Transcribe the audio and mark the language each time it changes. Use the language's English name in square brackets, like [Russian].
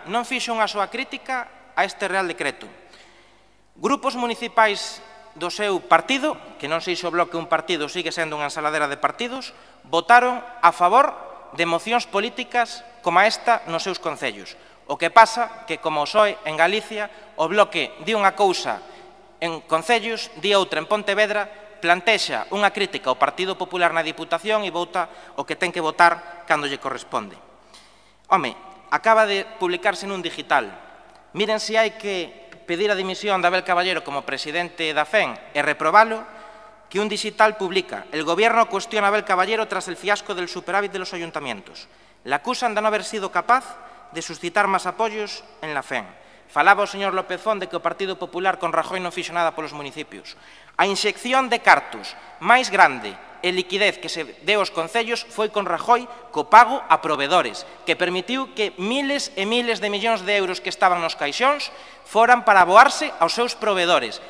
[Galician] Non fixo unha súa crítica a este Real Decreto. Grupos municipais do seu partido, que non sei se o bloque un partido sigue sendo unha ensaladera de partidos, votaron a favor de mocións políticas como esta nos seus concellos. O que pasa que, como o PSOE en Galicia, o bloque di unha cousa en concellos, di outra en Pontevedra, plantexa unha crítica ao Partido Popular na Diputación e vota o que ten que votar cando lle corresponde. Home, acaba de publicarse nun digital. Miren se hai que pedir a dimisión de Abel Caballero como presidente da FEN e reprobalo, que un digital publica: [Spanish] el gobierno cuestiona a Abel Caballero tras el fiasco del superávit de los ayuntamientos. Le acusan de no haber sido capaz de suscitar más apoyos en la FEN. [Galician] Falaba o señor López Font de que o Partido Popular con Rajoy non fixo nada polos municipios. A inxección de cartos máis grande e liquidez que se deu aos concellos foi con Rajoy co pago a proveedores, que permitiu que miles e miles de millóns de euros que estaban nos caixóns foran para aboarse aos seus proveedores.